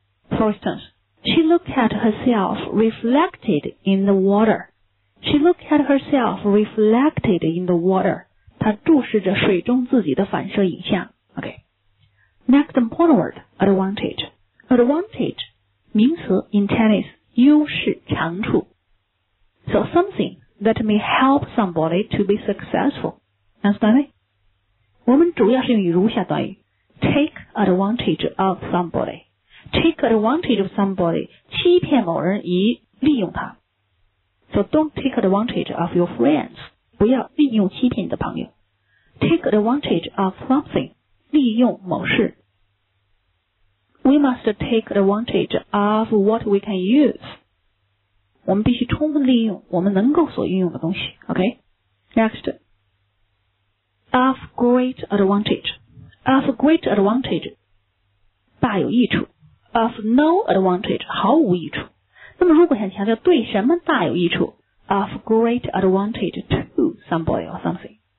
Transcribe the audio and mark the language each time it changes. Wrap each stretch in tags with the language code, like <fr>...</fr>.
<en>For instance,She looked at herself reflected in the water. She looked at herself reflected in the water.</en> <zh>她注视着水中自己的反射影像。</zh> <en>Okay. Next important word, advantage. Advantage, 名词 in tennis,</en> <zh>优势长处。</zh> <en>So something that may help somebody to be successful. Understand me?</en> <zh>我们主要是用于如下短语。</zh> <en>Take advantage of somebody. Take advantage of somebody,</en> <zh>欺骗某人以利用他。</zh> <en>So don't take advantage of your friends,</en> <zh>不要利用欺骗你的朋友。</zh> <en>Take advantage of something,</en> <zh>利用某事。</zh> <en>We must take advantage of what we can use.</en> <zh>我们必须充分利用我们能够所运用的东西。</zh> <en>Okay? Next, of great advantage. Of great advantage,</en> <zh>大有益处。</zh> <en>Of no advantage,</en> <zh>毫无益处。那么如果想强调对什么大有益处，</zh> <en>of great advantage to somebody or something.</en>